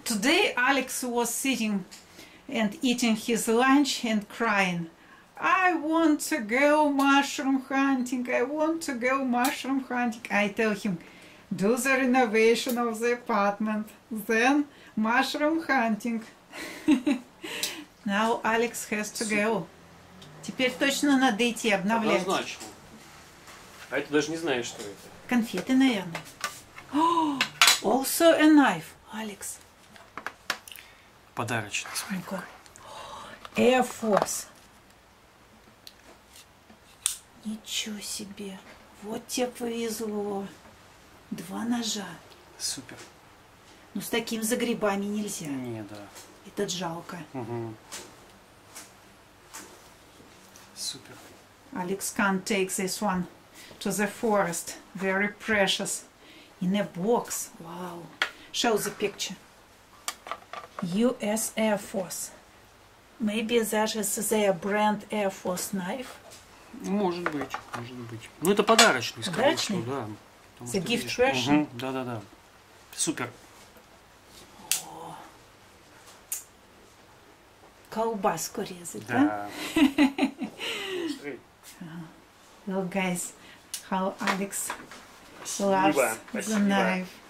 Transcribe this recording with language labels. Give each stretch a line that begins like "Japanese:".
English: Today Alex was sitting and eating his lunch and crying. I want to go mushroom hunting. I want to go mushroom hunting. I tell him, do the renovation of the apartment, then mushroom hunting. Now Alex has to go.
Russian: Теперь точно надо идти обновлять. Однозначно. А это даже не знаешь, что это. Конфеты, наверное.
English: Oh, also a knife, Alex.
Russian: Подарочный. Смотри, какой. Air Force. Ничего себе. Вот тебе повезло. Два ножа. Супер. Ну, с таким за грибами нельзя. Не, да. Это жалко. Угу. Супер.
English: Alex can't take this one to the forest. Very precious. In a box. Wow. Show the picture. US Air Force. Maybe that is their brand Air Force knife.
Russian: Может быть, может быть. Ну, это подарочный, скорее всего, да. Потому
English: the gift
Russian: видишь.
English: Version?
Russian: Угу, да-да-да. Супер. О, колбаску резать, да? Да. Смотри.
English: Well, guys, how Alex loves the knife.